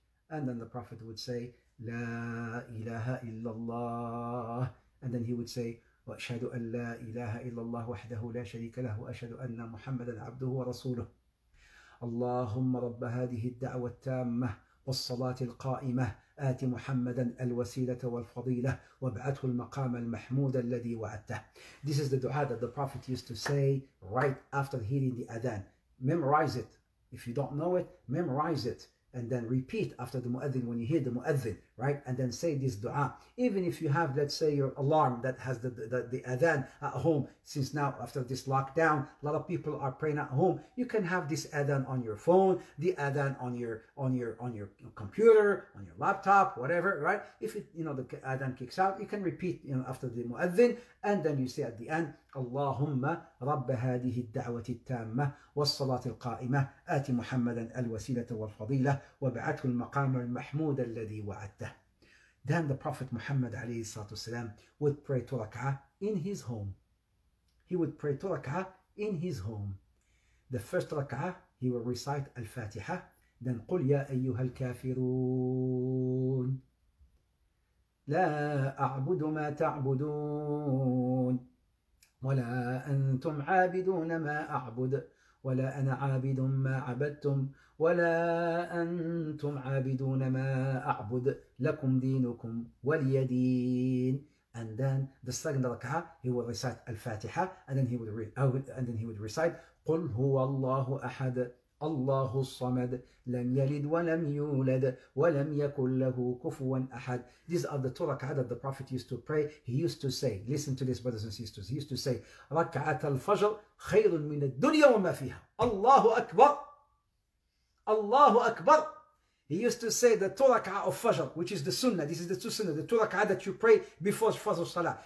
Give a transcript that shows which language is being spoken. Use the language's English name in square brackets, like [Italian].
[English] And then the Prophet would say, [Arabic] La ilaha illallah. [English] And then he would say, [Arabic] وَأَشْهَدُ أَنْ لَا إِلَهَ إِلَّا اللَّهُ وَحْدَهُ لَا شَرِيكَ لَهُ وَأَشْهَدُ أَنَّ مُحَمَّدًا عَبْدُهُ وَرَسُولُهُ اللهم رب هذه الدعوة التامة والصلاة القائمة آت محمدًا الوسيلة والفضيلة وابعته المقام المحمود الذي وعدته. [English] This is the dua that the Prophet used to say right after hearing the adhan. Memorize it. If you don't know it, memorize it. And then repeat after the muezzin, when you hear the muezzin, right? And then say this dua. Even if you have, let's say, your alarm that has the adhan at home, since now after this lockdown, a lot of people are praying at home, you can have this adhan on your phone, the adhan on your computer, on your laptop, whatever, right? If it, you know, the adhan kicks out, you can repeat, you know, after the muezzin, and then you say at the end, [Arabic] اللهم رب هذه الدعوة التامة والصلاة القائمة آتي محمدا الوسيلة والفضيلة وبعته المقام المحمود الذي وعدته. [English] Then the Prophet Muhammad [Arabic] عليه الصلاة والسلام [English] would pray to rak'ah in his home. He would pray to rak'ah in his home. The first rak'ah, he would recite الفاتحة. [Arabic] Then قل يا أيها الكافرون لا أعبد ما تعبدون ولا أنتم عابدون ما أعبد ولا أنا عابد ما عبدتم ولا أنتم عابدون ما أعبد لكم دينكم ولي دين. [English] And then the second rak'ah, he will recite al-Fatiha, and then he would recite [Arabic] قل هو الله أحد الله الصمد لم يلد ولم يولد ولم يكن له كفوا أحد. [English] These are the two rak'ah that the Prophet used to pray. He used to say, listen to this, brothers and sisters. He used to say, rak'at al-Fajr [Arabic] خير من الدنيا وما فيها. الله أكبر. الله أكبر. [English] He used to say the two rak'ah of Fajr, which is the sunnah. This is the two sunnah, the two rak'ah that you pray before Fajr Salah.